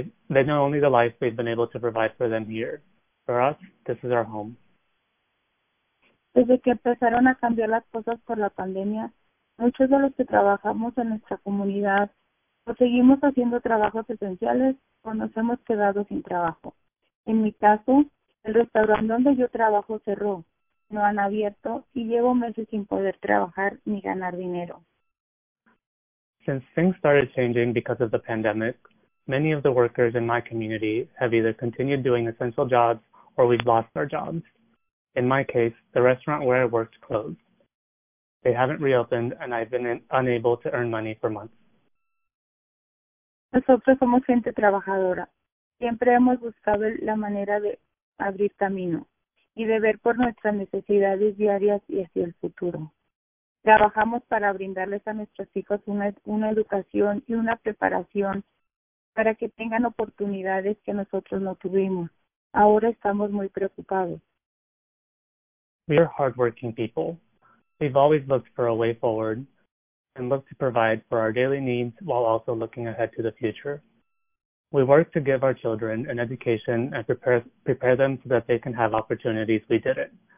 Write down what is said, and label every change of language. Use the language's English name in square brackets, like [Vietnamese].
[English] They know only the life we've been able to provide for them here. For us, this is our home. [Spanish] Desde que empezaron a cambiar las cosas por la pandemia, muchos de los que trabajamos en nuestra comunidad o seguimos haciendo trabajos esenciales o nos hemos quedado sin trabajo. En mi caso, el restaurante donde yo trabajo cerró, no han abierto y llevo meses sin poder trabajar ni ganar dinero. [English] Since things started changing because of the pandemic, many of the workers in my community have either continued doing essential jobs or we've lost our jobs. In my case, the restaurant where I worked closed. They haven't reopened, and I've been unable to earn money for months. [Spanish] Nosotros somos gente trabajadora. Siempre hemos buscado la manera de abrir camino y de ver por nuestras necesidades diarias y hacia el futuro. Trabajamos para brindarles a nuestros hijos una educación y una preparación para que tengan oportunidades que nosotros no tuvimos. Ahora estamos muy preocupados. [English] We are hardworking people. We've always looked for a way forward and looked to provide for our daily needs while also looking ahead to the future. We work to give our children an education and prepare them so that they can have opportunities we didn't.